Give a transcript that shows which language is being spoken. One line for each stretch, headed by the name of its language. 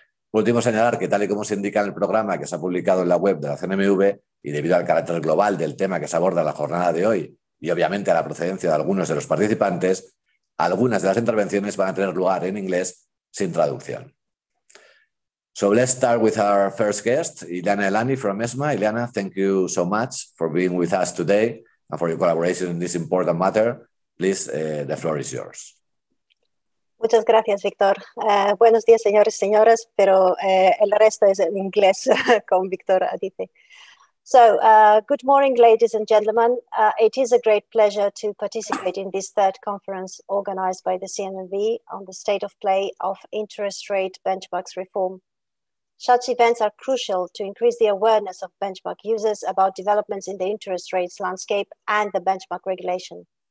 Spanish: Por último, señalar que, tal y como se indica en el programa que se ha publicado en la web de la CNMV, y debido al carácter global del tema que se aborda en la jornada de hoy, y obviamente a la procedencia de algunos de los participantes, algunas de las intervenciones van a tener lugar en inglés sin traducción.
English: So let's start with our first guest, Ileana Elani from ESMA. Ileana, thank you so much for being with us today and for your collaboration in this important matter. Please, the floor is yours.
Spanish: Muchas gracias, Víctor. Buenos días, señores y señoras, pero el resto es en inglés, como Víctor dice.
English: So, good morning, ladies and gentlemen. It is a great pleasure to participate in this third conference organized by the CNMV on the state of play of interest rate benchmarks reform. Such events are crucial to increase the awareness of benchmark users about developments in the interest rates landscape and the benchmark regulation.